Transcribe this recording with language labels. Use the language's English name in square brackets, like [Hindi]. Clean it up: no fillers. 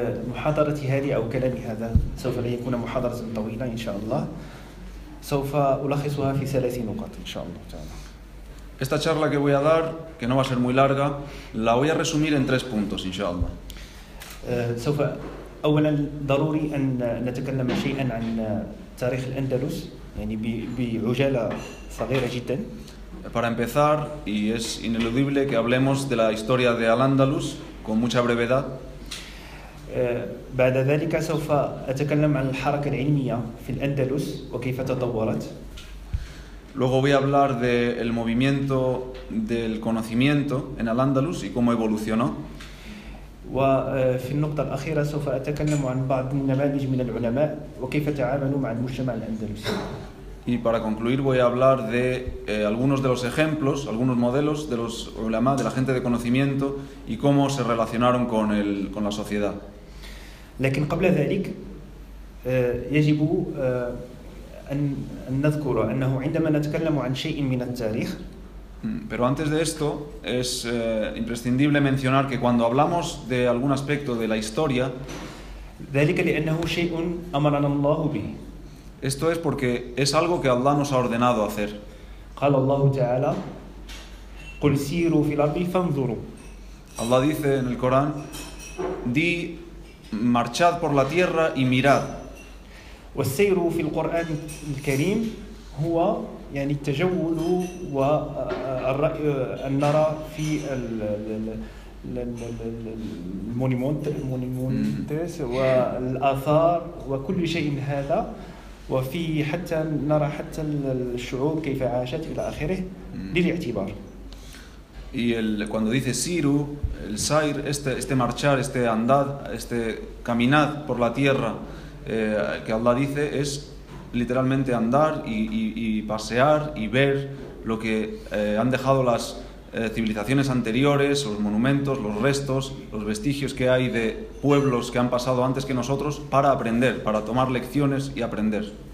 [Arabic] محاضرتي هذه أو كلامي هذا سوف لا يكون محاضرة طويلة إن شاء الله سوف ألخصها في 3 نقاط إن شاء الله تعالى. [Spanish] Esta charla que voy a dar, que no va a ser muy larga, la voy a resumir en 3 puntos إن شاء الله. [Arabic] سوف أولا ضروري أن نتكلم شيئا عن تاريخ الأندلس يعني بعجالة صغيرة جدا. [Spanish] Para empezar, y es ineludible que hablemos de la historia de Al-Ándalus con mucha brevedad. [Arabic] بعد ذلك سوف أتكلم عن الحركة العلمية في الأندلس وكيف تطورت. [Spanish] Luego voy a hablar del movimiento del conocimiento en Al-Ándalus y cómo evolucionó. [Arabic] وفي النقطة الأخيرة سوف أتكلم عن بعض النماذج من العلماء وكيف تعاملوا مع المجتمع الأندلسي. [Spanish] Y para concluir voy a hablar de algunos de los ejemplos, algunos modelos de los ulama, de la gente de conocimiento y cómo se relacionaron con el con la sociedad. [Arabic] لكن قبل ذلك يجب ان نذكر انه عندما نتكلم عن شيء من التاريخ. [Spanish] Pero antes de esto es imprescindible mencionar que cuando hablamos de algún aspecto de la historia, [Arabic] ذلك لانه شيء امرنا الله به. [Spanish] Esto es porque es algo que Allah nos ha ordenado hacer. [Arabic] قال الله تعالى قل سيروا في الأرض فانظروا. [Spanish] Allah dice en el Corán: di, marchad por la tierra y mirad. [Arabic] والسير في القرآن الكريم هو يعني التجول والرأي أن نرى في المونيمونتس والآثار وكل شيء هذا وفي حتى نرى حتى الشعوب كيف عاشت إلى آخره للاعتبار. [Spanish] Y el cuando dice siru, el sair, este marchar, este andad, este caminad por la tierra, que Allah dice es literalmente andar y pasear y ver lo que han dejado las civilizaciones anteriores, los monumentos, los restos, los vestigios que hay de pueblos que han pasado antes que nosotros para aprender, para tomar lecciones y aprender.